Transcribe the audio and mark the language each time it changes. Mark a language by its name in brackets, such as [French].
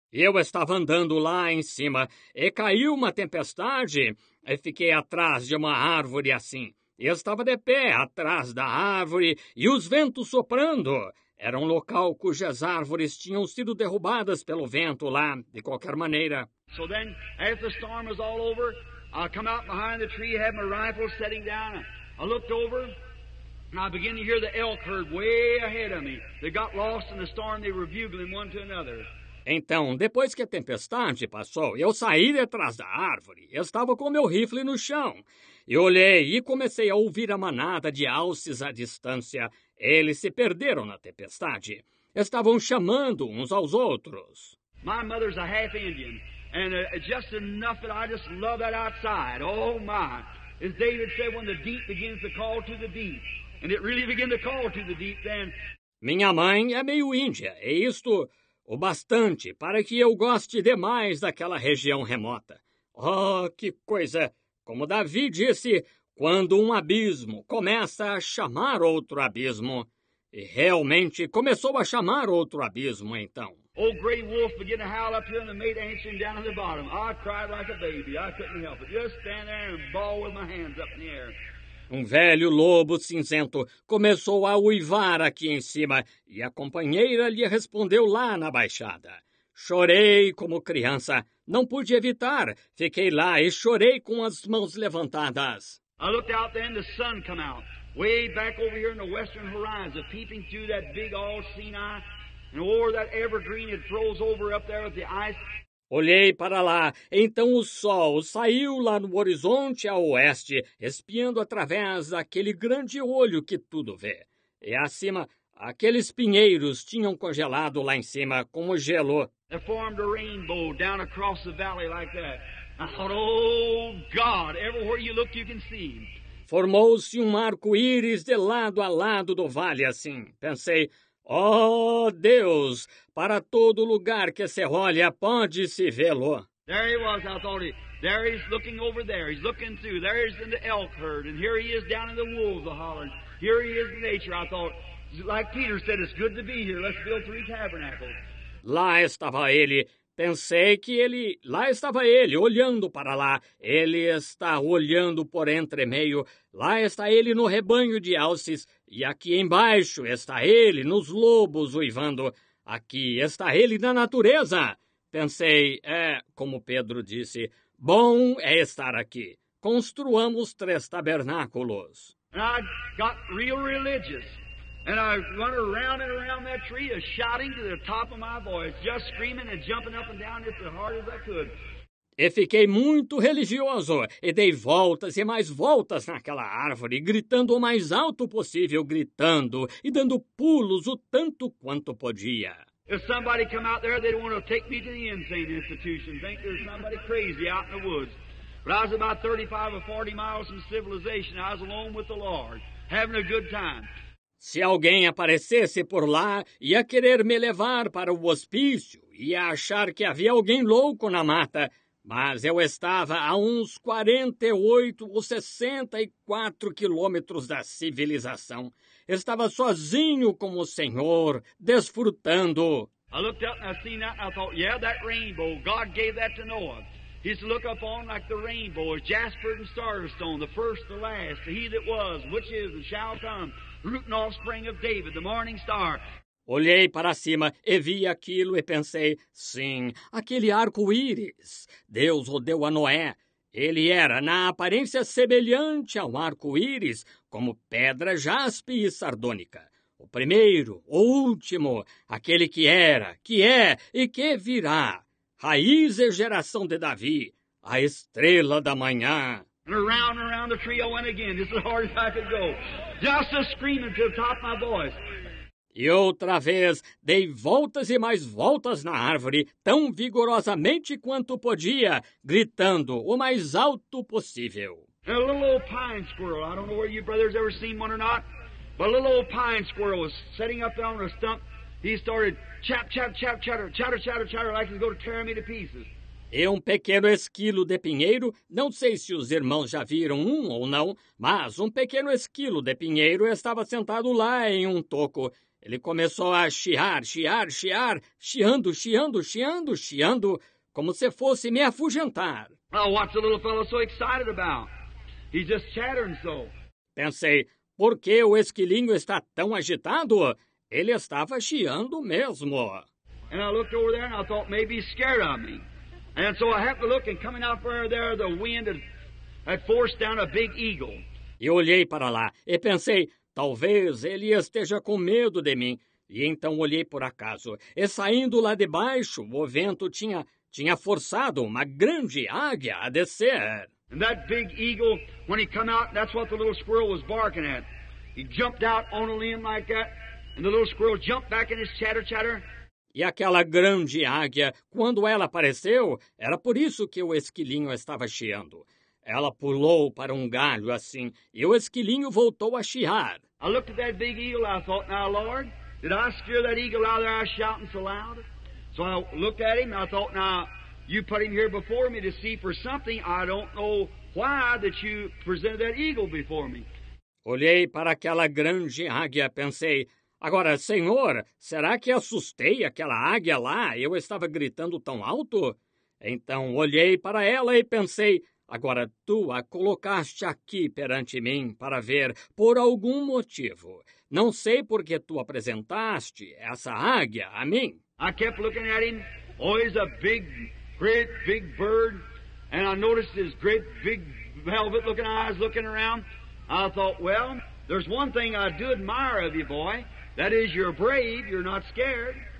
[Portuguese] Eu estava andando lá em cima e caiu uma tempestade e fiquei atrás de uma árvore assim. Eu estava de pé atrás da árvore e os ventos soprando. Era um local cujas árvores tinham sido derrubadas pelo vento lá, de qualquer maneira. [English] So then, as the storm was all over, I come out behind the tree, had my rifle setting down. I looked over and I began to hear the elk herd way ahead of me. They got lost in the storm, they were bugling one to another. [Portuguese] Então, depois que a tempestade passou, eu saí detrás da árvore. Eu estava com meu rifle no chão. E olhei e comecei a ouvir a manada de alces à distância. Eles se perderam na tempestade. Estavam chamando uns aos outros. [English] My mother's a half Indian. And just enough that I just love that outside. Oh my. As David said, when the deep begins to call to the deep. And it really began to call to the deep then. [Portuguese] Minha mãe é meio índia. E isto... o bastante para que eu goste demais daquela região remota. Oh, que coisa! Como Davi disse, quando um abismo começa a chamar outro abismo. E realmente começou a chamar outro abismo, então. [English] Oh, Grey Wolf began to howl up here and the mate answering down at the bottom. I cried like a baby. I couldn't help it. Just stand there and bawl with my hands up in the air. [Portuguese] Um velho lobo cinzento começou a uivar aqui em cima e a companheira lhe respondeu lá na baixada. Chorei como criança. Não pude evitar. Fiquei lá e chorei com as mãos levantadas. [English] I looked out there and the sun come out. Way back over here in the western horizon, peeping through that big all seen eye and over that evergreen it throws over up there with the ice. [Portuguese] Olhei para lá, então o sol saiu lá no horizonte a oeste, espiando através daquele grande olho que tudo vê. E acima, aqueles pinheiros tinham congelado lá em cima, como gelo. [English] They formed a rainbow down across the valley like that. I thought, oh God, everywhere you look you can see. [Portuguese] Formou-se um arco-íris de lado a lado do vale assim. Pensei, oh, Deus, para todo lugar que se olha, pode-se vê-lo. [English] There he was, I thought. There he's looking over there. He's looking through. There he's in the elk herd. And here he is down in the wolves, the hollering. Here he is in nature, I thought. Like Peter said, it's good to be here. Let's build three tabernacles. [Portuguese] Lá estava ele. Pensei que ele... lá estava ele, olhando para lá. Ele está olhando por entre meio. Lá está ele no rebanho de alces. E aqui embaixo está ele nos lobos uivando. Aqui está ele na natureza. Pensei, é, como Pedro disse, bom é estar aqui. Construamos três tabernáculos. [English] I got real religious. And I run around and around that tree, shouting to the top of my voice, just screaming and jumping up and down just as hard as I could. [Portuguese] E fiquei muito religioso e dei voltas e mais voltas naquela árvore, gritando o mais alto possível, gritando e dando pulos o tanto quanto podia. [English] If somebody come out there, they'd want to take me to the insane institution, think there's somebody crazy out in the woods. But I was about 35 or 40 miles from civilization. I was alone with the Lord, having a good time. [Portuguese] Se alguém aparecesse por lá, ia querer me levar para o hospício, ia achar que havia alguém louco na mata, mas eu estava a uns 48 ou 64 quilômetros da civilização. Estava sozinho com o Senhor, desfrutando. [English] I looked up and I seen that and I thought, yeah, that rainbow, God gave that to Noah. He's to look upon like the rainbow, jasper and star stone, the first, the last, he that was, which is and shall come, root and offspring of David, the morning star. [Portuguese] Olhei para cima e vi aquilo e pensei, sim, aquele arco-íris. Deus o deu a Noé. Ele era, na aparência, semelhante a um arco-íris, como pedra jaspe e sardônica. O primeiro, o último, aquele que era, que é e que virá. Raiz e geração de Davi, a estrela da manhã. [English] Around and around the tree I went again, just as hard as I could go. Just a screaming to the top of my voice. [Portuguese] E outra vez, dei voltas e mais voltas na árvore, tão vigorosamente quanto podia, gritando o mais alto possível. [English] A little old pine squirrel, I don't know whether you brothers ever seen one or not, but a little old pine squirrel was sitting up there on a stump. He started chap, chap, chap, chatter, chatter, chatter, chatter, like he's going to tear me to pieces. [Portuguese] E um pequeno esquilo de pinheiro, não sei se os irmãos já viram um ou não, mas um pequeno esquilo de pinheiro estava sentado lá em um toco. Ele começou a chiar, chiar, chiar, chiando, chiando, chiando, chiando, como se fosse me afugentar. [English] Oh, what's the little fellow so excited about? He's just chattering so. [Portuguese] Pensei, por que o esquilinho está tão agitado? Ele estava chiando mesmo. [English] And I looked over there and I thought maybe he's scared of me. And so I had to look and coming out from there, the wind had forced down a big eagle. [Portuguese] E olhei para lá e pensei, talvez ele esteja com medo de mim. E então olhei por acaso. E saindo lá de baixo, o vento tinha forçado uma grande águia a descer. [English] And that big eagle, when he come out, that's what the little squirrel was barking at. He jumped out on a limb like that, and the little squirrel jumped back in his chatter, chatter. [Portuguese] E aquela grande águia, quando ela apareceu, era por isso que o esquilinho estava chiando. Ela pulou para um galho assim, e o esquilinho voltou a chiar. [English] I looked at that big eagle, I thought, now, Lord, did I scare that eagle out of there shouting so loud? So I looked at him, I thought, now, you put him here before me to see for something, I don't know why that you presented that eagle before me. [Portuguese] Olhei para aquela grande águia, pensei, agora, Senhor, será que assustei aquela águia lá? Eu estava gritando tão alto? Então olhei para ela e pensei, agora tu a colocaste aqui perante mim para ver por algum motivo. Não sei por que tu apresentaste essa águia a mim. [English] I kept looking at him, always a big, great, big bird, and I noticed his great, big, velvet-looking eyes looking around. I thought, well, there's one thing I do admire of you, boy. That is, you're brave, you're not scared.